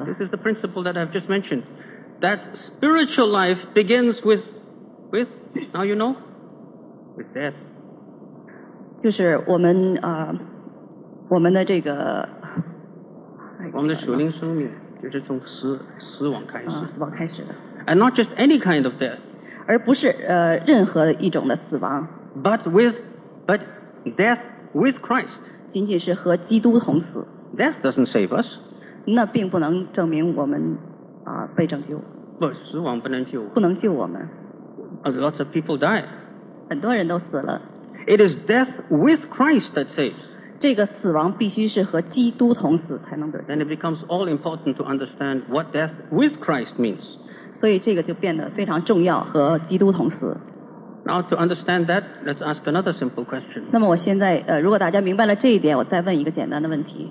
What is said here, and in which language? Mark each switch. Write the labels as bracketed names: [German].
[English] This is the principle that I've just mentioned. That spiritual life begins with now you know, with death. [Chinese] 就是我们我们的这个我们的属灵生命就是从死亡开始。死亡开始的。 [English] And not just any kind of death. [Chinese] 而不是任何一种的死亡。 [English] But death with Christ. [Chinese] 仅仅是和基督同死。 [English] Death doesn't save us. [Chinese] 那并不能证明我们啊、被拯救。不，死亡不能救。不能救我们。 [English] A lot of people die. [Chinese] 很多人都死了。 [English] It is death with Christ that saves. [Chinese] 这个死亡必须是和基督同死才能得救。 [English] Then it becomes all important to understand what death with Christ means. [Chinese] 所以这个就变得非常重要，和基督同死。 [English] Now to understand that, let's ask another simple question. [Chinese] 那么我现在如果大家明白了这一点，我再问一个简单的问题。